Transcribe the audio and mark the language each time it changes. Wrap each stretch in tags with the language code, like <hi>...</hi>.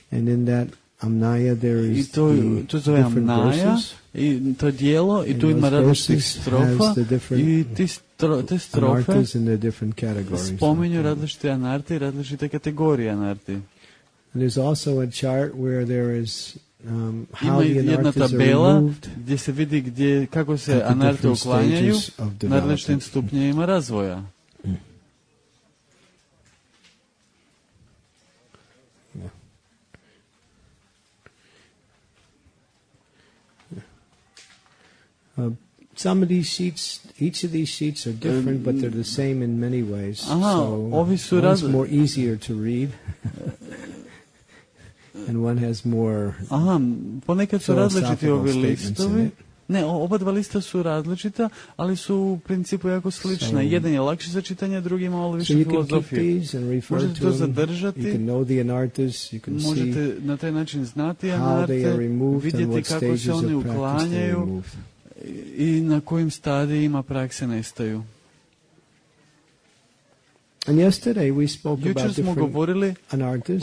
<en>And in that Amnaya there is the</en> <hr>Amnaya, i to djelo i tu ima različitih strofa i te strofe spominju različite anarte i različite kategorije anarte.</hr> <en>There's also a chart where there is</en> <hr>ima jedna tabela gdje se vidi kako se anarte uklanjaju na različitim stupnjevima razvoja.</hr> <en>Some of these sheets, each of these sheets are different, but they're the same in many ways. More easier to read. And one has more.</en> <hr>Aha, ponekad su različiti ovi listovi. Ne, oba dva lista su različita, ali su u principu jako slična.</hr> <en>So,</en> <hr>jedan je lakši za čitanje, drugi ima ovo više filozofije. Možete to zadržati.</hr> <en>You can know the anartas, you can</en> <hr>možete na taj način znati anarte, vidjeti kako se oni uklanjaju i na kojim stadijima prakse nestaju.</hr> <en>And yesterday we spoke</en> <hr>jučer</hr> <en>about different</en>